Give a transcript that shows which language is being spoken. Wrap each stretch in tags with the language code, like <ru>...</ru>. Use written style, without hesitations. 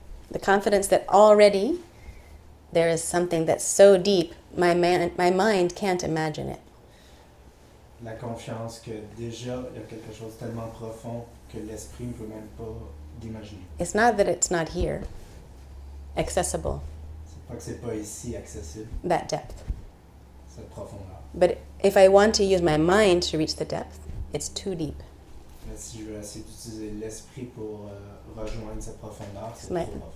<en>The confidence that already there is something that's so deep, my mind can't imagine it.</en> <fr>La confiance que déjà il y a quelque chose tellement profond que l'esprit ne peut même pas d'imaginer.</fr> <en>It's not that it's not here, accessible.</en> <fr>C'est pas que c'est pas ici accessible.</fr> <en>That depth.</en> <fr>Cette profondeur.</fr> <en>But if I want to use my mind to reach the depth, it's too deep.</en> <fr>Mais si je veux essayer d'utiliser l'esprit pour rejoindre cette profondeur, c'est trop profond.</fr>